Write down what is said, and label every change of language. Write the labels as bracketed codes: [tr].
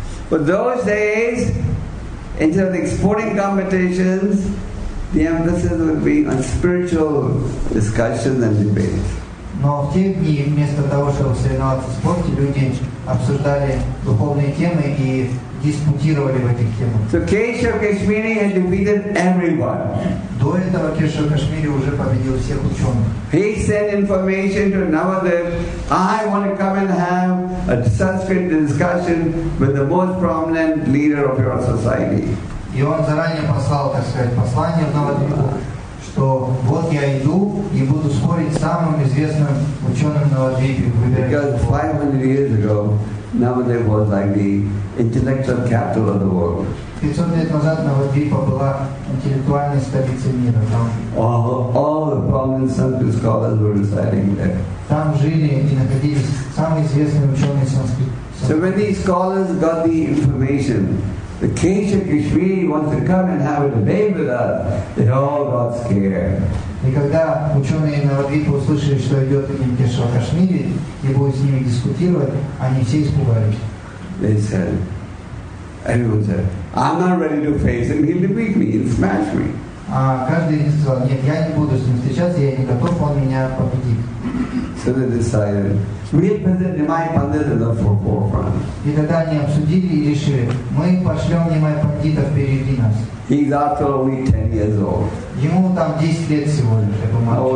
[en] But those days, instead of the sporting competitions, the emphasis would be on spiritual discussions and debates. [ru] Но в те дни, вместо того, чтобы соревноваться в спорте, люди обсуждали духовные темы и дискутировали в этих темах. [en] So Keshav Kashmiri had defeated everyone. [ru] До этого Кешав Кашмири уже победил всех ученых. [en] He sent information to Navadev, I want to come and have a Sanskrit discussion with the most prominent leader of your society. [ru] И он заранее послал, так сказать, послание в Навадеву, что вот я иду и буду спорить с самым известным ученым Навадвипи. [en] Because 500 years ago, Navadev was like the intellectual capital of the world. [ru] 500 лет назад Навадвипа была интеллектуальной столицей мира. [en] All the prominent Sanskrit scholars were residing there. [ru] Там жили и находились самые известные ученые санскрит. [en] So when these scholars got the information, the Keshav Kashmiri wants to come and have a debate with us. They all got scared. [ru] И когда ученые Навадвипа услышали, что идет к ним Кешав Кашмири и будет с ними дискутировать, они все испугались. [en] They said, everyone said, I'm not ready to face him, he'll defeat me, he'll smash me. [ru] Каждый из них сказал, нет, я не буду с ним встречаться, я не готов, он меня победит. [en] So they decided, we'll present Nimai Pandit in the forefront. [ru] И тогда они обсудили и решили, мы пошлем Нимай Пандита впереди нас. [en] He's after only 10 years old. [ru] Ему там 10 лет всего лишь, этому мальчику.